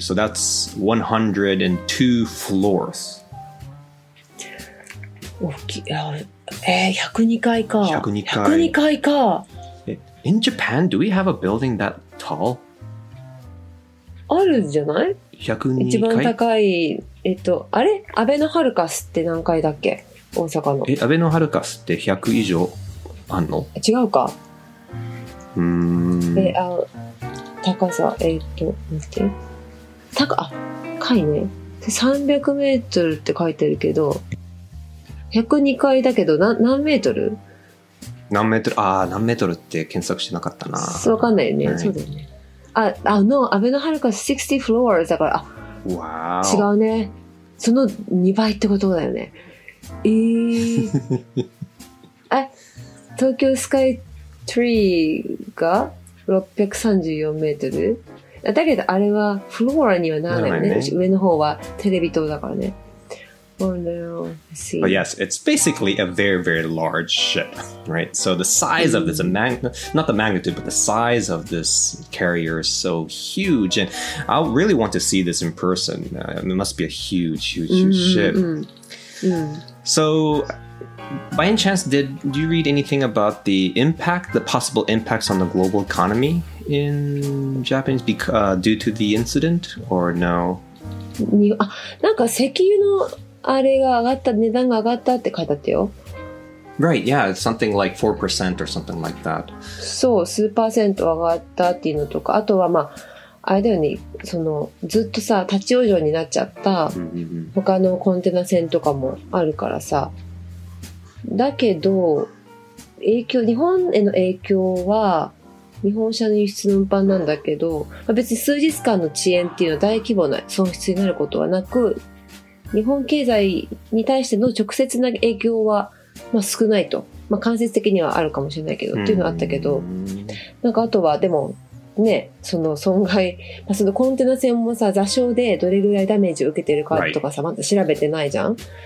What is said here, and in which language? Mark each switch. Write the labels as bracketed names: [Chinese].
[English] So that's 102 floors. [Japanese] 102階か。 [English] In Japan, do we have a building that tall? [Japanese] あるじゃない 102階。一番高い。あれ安倍のハルカスって何階だっけ大阪の。え、安倍のハルカスって100以上あんの違うか。で、あ、高さ、見て。高、あ、階ね。 300メートルって書いてるけど、102階だけど、何メートル何メートル、何メートルって検索してなかったな。そうわかんないよね。はい、そうだよね。あの、アベノハルカス60 floors だから、あ、 [English] wow. [Japanese] 違うね。その2倍ってことだよね。え、東京スカイツリーが 634メートル。だけどあれはフロアにはならないよね。上の方はテレビ塔だからね。 [English] But yes, it's basically a very, very large ship, right? So the size of this, not the magnitude, but the size of this carrier is so huge. And I really want to see this in person. It must be a huge, huge, huge ship. So by any chance, did you read anything about the impact, the possible impacts on the global economy in Japanese due to the incident or no? [Japanese] なんか石油のあれが上がった、値段が上がったって書いてあったよ。 [English] Right, yeah, it's something like 4% or something like that. [Japanese] そう、数パーセント上がったっていうのとか、あとはまあ、あれだよね、そのずっとさ、立ち往生になっちゃった他のコンテナ船とかもあるからさ。だけど、影響、日本への影響は日本車の輸出の運搬なんだけど、まあ、別に数日間の遅延っていうのは大規模な損失になることはなく、日本経済に対しての直接な影響は、まあ、少ないと、まあ、間接的にはあるかもしれないけどっていうのはあったけど、なんかあとはでもね、その損害、まあ、そのコンテナ船もさ、座礁でどれぐらいダメージを受けてるかとかさ、まだ調べてないじゃん。